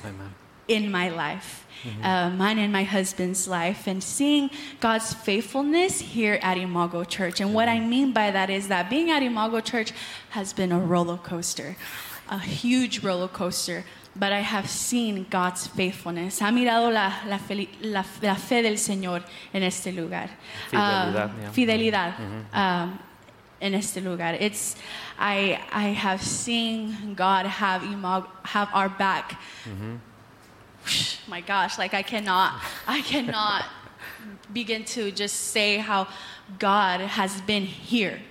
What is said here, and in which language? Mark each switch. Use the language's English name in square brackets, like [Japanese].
[English] Amen. In my life, mm-hmm. Mine and my husband's life, and seeing God's faithfulness here at Imago Church. And what I mean by that is that being at Imago Church has been a roller coaster, a huge roller coaster. But I have seen God's faithfulness. [Spanish] Ha mirado la fe del Señor en este lugar. Fidelidad. Mm-hmm. En este lugar. [English] It's I have seen God have our back. Mm-hmm. My gosh, like I cannot begin to just say how God has been here.